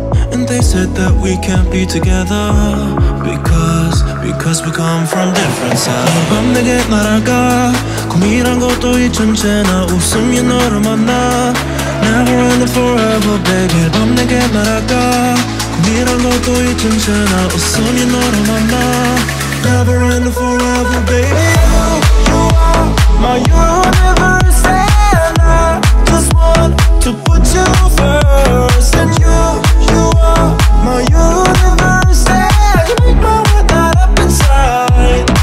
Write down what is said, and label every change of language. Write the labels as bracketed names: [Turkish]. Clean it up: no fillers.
[English] And they said that we can't be together because we come from different sides. [Korean] 매일 밤 내게 날아가 꿈이란 것도 잊은 채 나 웃으며 너를 만나. [English] Never ending forever, baby. [Korean] 매일 밤 내게 날아가 꿈이란 것도 잊은 채 나 웃으며 너를 만나. [English] Never ending forever, baby. You are my universe, and I just want to put you first. And you are my universe, and you make my world light up inside.